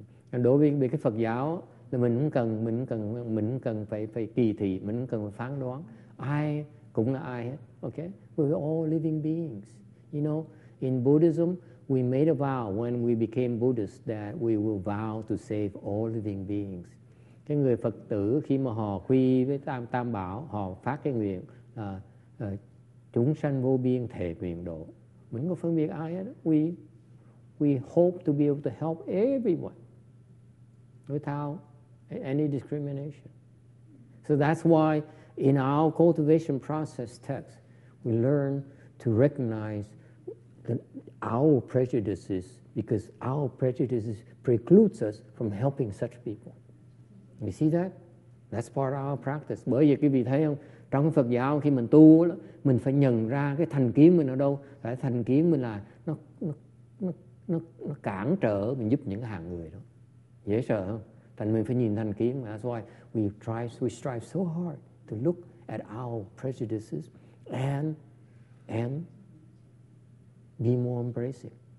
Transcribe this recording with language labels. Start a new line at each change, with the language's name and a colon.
Vietnamese: And đối với cái Phật giáo, thì mình cần phải kỳ thị, mình cần phải phán đoán. Ai cũng là ai hết. Okay?
English: We're all living beings. You know, in Buddhism, we made a vow when we became Buddhists that we will vow to save all living beings.
Vietnamese: Cái người Phật tử khi mà họ quy với Tam Bảo, họ phát cái nguyện chúng sanh vô biên thệ nguyện độ. Mình có phân biệt ai hết.
English: We hope to be able to help everyone without any discrimination. So that's why in our cultivation process text, we learn to recognize our prejudices, because our prejudices precludes us from helping such people. You see that? That's part of our practice.
Vietnamese: Bởi vì quý vị thấy không, trong Phật giáo khi mình tu, mình phải nhận ra cái thành kiến mình ở đâu. Cái thành kiến mình là nó cản trở mình giúp những hạng người đó. Dễ sợ không? Thành mình phải nhìn thành kiến.
English: That's why we strive so hard to look at our prejudices and be more embracing.